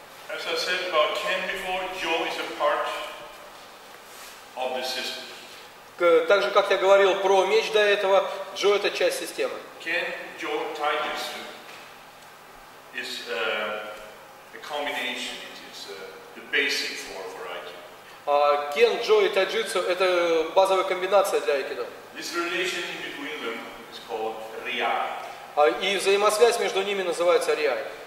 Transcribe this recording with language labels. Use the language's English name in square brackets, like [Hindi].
[English] As I said about Ken before, Joe is a part of the system. [Russian] Так же, как я говорил про меч до этого, Джо это часть системы. [English] Ken, Joe, Titus is a combination. It's the basic form for Aikido. [Russian] Ken, Joe и Тайджитсу это базовая комбинация для Aikido. [English] This relationship between them is called Ria. [Russian] И взаимосвязь между ними называется Риай.